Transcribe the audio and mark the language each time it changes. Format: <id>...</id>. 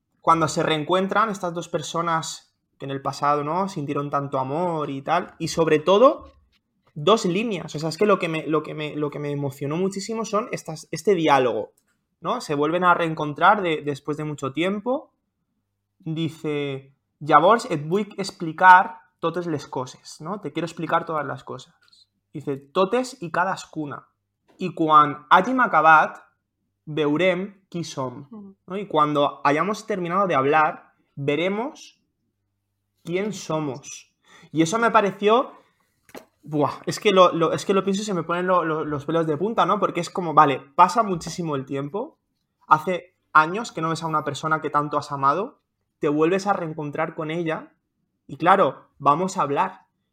<es>Cuando se reencuentran estas dos personas que en el pasado, ¿no?, sintieron tanto amor y tal, y sobre todo dos líneas, o sea, es que lo que me emocionó muchísimo son este diálogo, ¿no? Se vuelven a reencontrar después de mucho tiempo. Dice:</es> <ca>"Llavors et vull explicar totes les coses",</ca> <es>¿no? Te quiero explicar todas las cosas. Dice:</es> <ca>"Totes i cadascuna. I quan hàgim acabat, veurem qui som",</ca> <es>¿no? Y cuando hayamos terminado de hablar, veremos quién somos. Y eso me pareció... ¡Buah! Es que lo pienso y se me ponen los pelos de punta, ¿no? Porque es como, vale, pasa muchísimo el tiempo, hace años que no ves a una persona que tanto has amado, te vuelves a reencontrar con ella, y claro, vamos a hablar.</es>